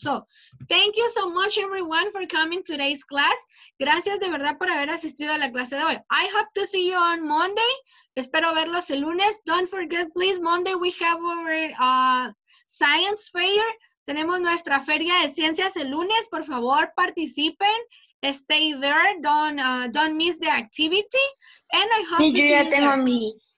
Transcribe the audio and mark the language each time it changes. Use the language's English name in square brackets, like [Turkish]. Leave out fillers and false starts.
[English] So, thank you so much, everyone, for coming today's class. [Spanish] Gracias de verdad por haber asistido a la clase de hoy. [English] I hope to see you on Monday. [Spanish] Espero verlos el lunes. [English] Don't forget, please, Monday we have our science fair. [Spanish] Tenemos nuestra feria de ciencias el lunes. Por favor, participen. [English] Stay there. Don't miss the activity. And I hope to see you there.